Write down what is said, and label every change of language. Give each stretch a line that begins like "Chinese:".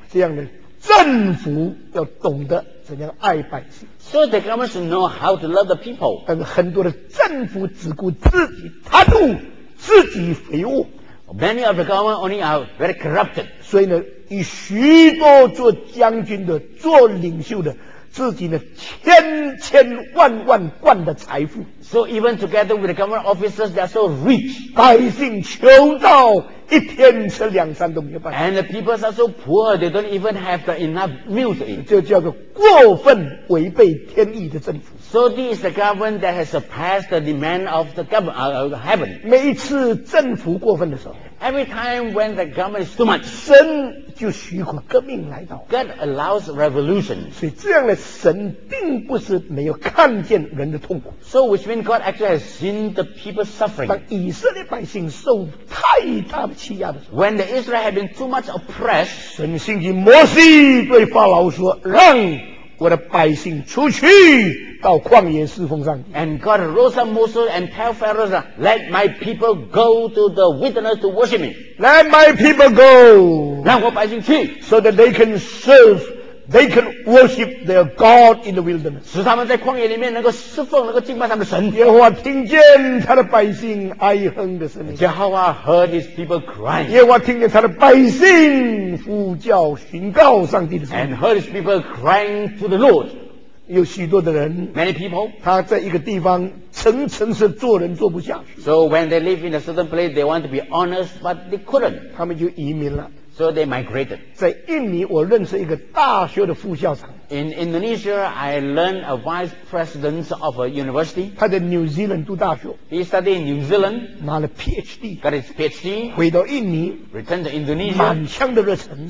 Chinese: 这样的政府要懂得怎样爱百姓
English: So the government should know how to love the people
Chinese: 但是很多的政府只顾自己贪污自己肥沃
English: Many of the government only are very corrupted
Chinese: 所以呢以许多做将军的做领袖的自己的千千万万贯的财富。
English: So even together with the government officers, they are so rich.
Chinese: 百姓穷到一天吃两餐都没有办法。
English: And the people are so poor, they don't even have the enough meal to eat.
Chinese: 这叫做过分违背天意的政府。
English: So this is the government that has surpassed the demand of the government, of heaven.
Chinese: 每一次政府过分的时候，
English: Every time when the government is too much,
Chinese: 神就许可革命来到。
English: God allows revolution.
Chinese: 所以这样的神并不是没有看见人的痛苦。
English: So which means God actually has seen the people's suffering.
Chinese: 当以色列百姓受太大的欺压的时候，
English: When the Israel had been too much oppressed,
Chinese: 神兴起摩西对法老说，让我的百姓出去到旷野侍奉上帝。
English: And God rose up Moses and tell Pharaoh, Let my people go to the wilderness to worship me. Let my people go.
Chinese: 让我百姓去。
English: So that they can serve, they can worship their God in the wilderness.
Chinese: 使他们在旷野里面能够侍奉，能够敬拜他们的神。耶和华听见他的百姓哀哼的声音。
English: Jehovah heard his people crying.
Chinese: 耶和华听见他的百姓呼叫寻告上帝的声音。
English: And heard his people crying to the Lord.
Chinese: 有许多的人
English: Many people,
Chinese: 他在一个地方层层是做人做不下去
English: So when they live in a certain place They want to be honest But they couldn't
Chinese: 他们就移民了
English: So they migrated
Chinese: 在印尼我认识一个大学的副校长
English: In Indonesia I learned a vice president of a university
Chinese: 他在 New Zealand 读大学
English: He studied in New Zealand
Chinese: 拿了 PhD
English: Got his PhD
Chinese: 回到印尼
English: Returned to Indonesia
Chinese: 满腔的热忱